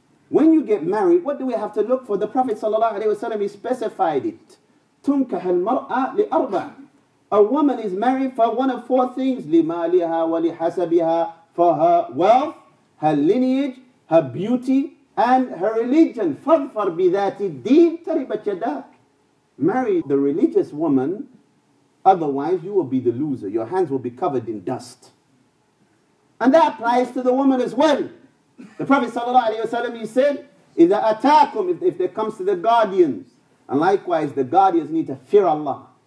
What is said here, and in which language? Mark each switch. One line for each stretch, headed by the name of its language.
English: When you get married, what do we have to look for? The Prophet sallallahu alaihi wasallam, he specified it.
Arabic: تنكح المرأة لأربع.
English: A woman is married for one of four things.
Arabic: لمالها ولحسبها.
English: For her wealth, her lineage, her beauty, and her religion.
Arabic: فاظفر بذات الدين تربت يداك.
English: Marry the religious woman, otherwise you will be the loser. Your hands will be covered in dust. And that applies to the woman as well. The Prophet sallallahu alaihi wasallam, he said,
Arabic: إذا أتاكم,
English: if there comes to the guardians, and likewise the guardians need to fear Allah.